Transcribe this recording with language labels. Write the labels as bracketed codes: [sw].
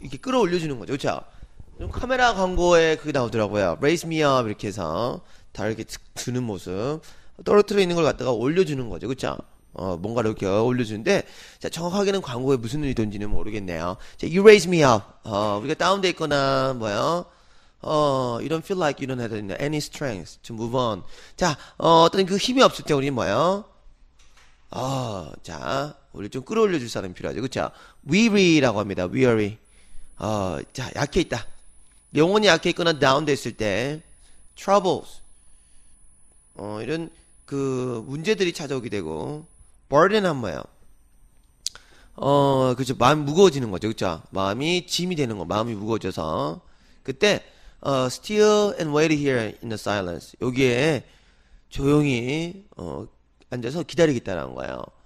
[ko] 이렇게 끌어올려주는 거죠, 그쵸? 좀 카메라 광고에 그게 나오더라고요. Raise Me Up 이렇게 해서, 다 이렇게 드는 모습. 떨어뜨려 있는 걸 갖다가 올려주는 거죠, 그쵸? 뭔가를 이렇게 올려주는데, 자, 정확하게는 광고에 무슨 의도인지는 모르겠네요. [en] 자, You Raise Me Up. [ko] 우리가 다운돼 있거나, 뭐요? [en] You don't feel like you don't have any strength to move on. [ko] 자, 어떤 그 힘이 없을 때 우리는 뭐예요? 자, 우리 좀 끌어올려 줄 사람이 필요하죠. 그쵸? weary라고 합니다. weary. 자, 약해 있다. 영혼이 약해 있거나 다운됐을 때, troubles. 이런 그 문제들이 찾아오게 되고, burden 한 뭐예요? 그쵸? 마음이 무거워지는 거죠. 그쵸? 마음이 짐이 되는 거. 마음이 무거워져서. 그때, [en] still and wait here in the silence. [ko] 여기에 조용히 앉아서 기다리겠다라는 거예요.